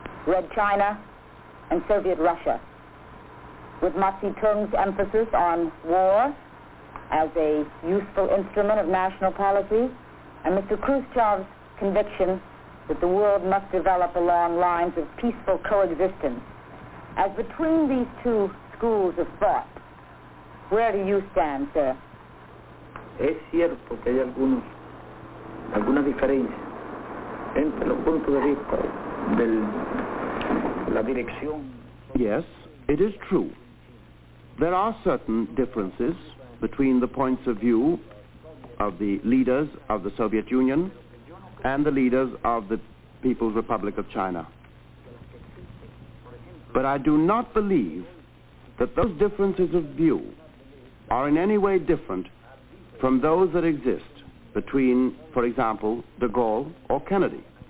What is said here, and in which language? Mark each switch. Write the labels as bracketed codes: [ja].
[en] Red China, and Soviet Russia, with Mao Zedong's emphasis on war as a useful instrument of national policy, and Mr. Khrushchev's conviction that the world must develop along lines of peaceful coexistence. As between these two schools of thought, where do you stand, sir? [es] Es cierto que hay algunas diferencias entre los puntos de vista de la dirección. [en] Yes, it is true. There are certain differences between the points of view of the leaders of the Soviet Union and the leaders of the People's Republic of China. But I do not believe that those differences of view are in any way different from those that exist between, for example, de Gaulle or Kennedy.